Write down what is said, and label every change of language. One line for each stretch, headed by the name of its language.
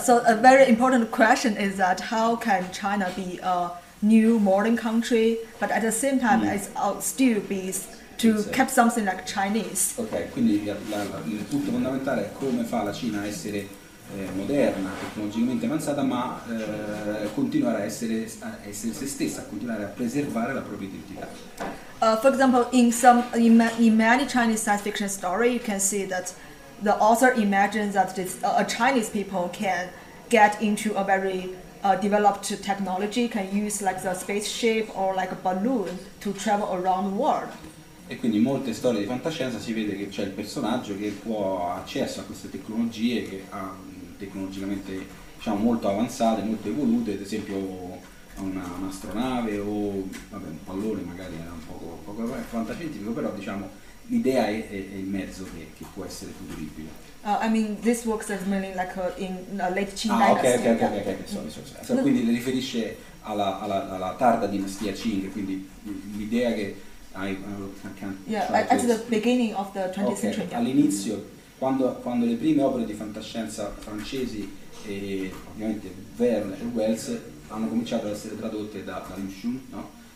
English: So a very important question is that how can China be a new modern country, but at the same time, it's still kept something like Chinese.
Italian: Okay, quindi il punto fondamentale è come fa la Cina a essere moderna, tecnologicamente avanzata, ma continuare a essere se stessa, a continuare a preservare la propria identità.
English: For example, in many Chinese science fiction stories, you can see that the author imagines that a Chinese people can get into a very developed technology, can use like the spaceship or like a balloon to travel around the world.
Italian: E quindi in molte storie di fantascienza si vede che c'è il personaggio che può accesso a queste tecnologie che ha tecnologicamente diciamo molto avanzate, molto evolute, ad esempio un'astronave o vabbè, un pallone magari è un poco fantascientifico, però diciamo l'idea è il mezzo che può essere futuribile.
English: I mean, this works as mainly like in late Qing dynasty. Ok.
Italian: Quindi le riferisce alla tarda dinastia Qing, quindi l'idea che
English: at the beginning of the 20th century. Okay.
Italian: All'inizio, quando le prime opere di fantascienza francesi e ovviamente Verne e Wells hanno cominciato ad essere tradotte da Lin Xun, no?